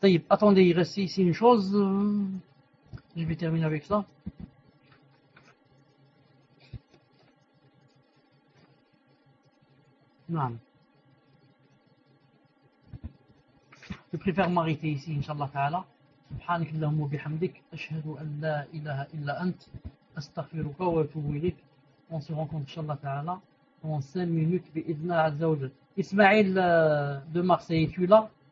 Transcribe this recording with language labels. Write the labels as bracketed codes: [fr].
[fr] Attendez, il reste ici une chose. Je vais terminer avec ça. Non. Je préfère m'arrêter ici, Inch'Allah Ta'ala. [ar] سبحانك اللهم وبحمدك أشهد أن لا إله إلا أنت أستغفرك وأتوب إليك. [fr] On se rencontre [ar] إن شاء الله تعالى [fr] dans 5 minutes [ar] بإذن الله عز وجل. [fr] إسماعيل de Marseille, tu es là?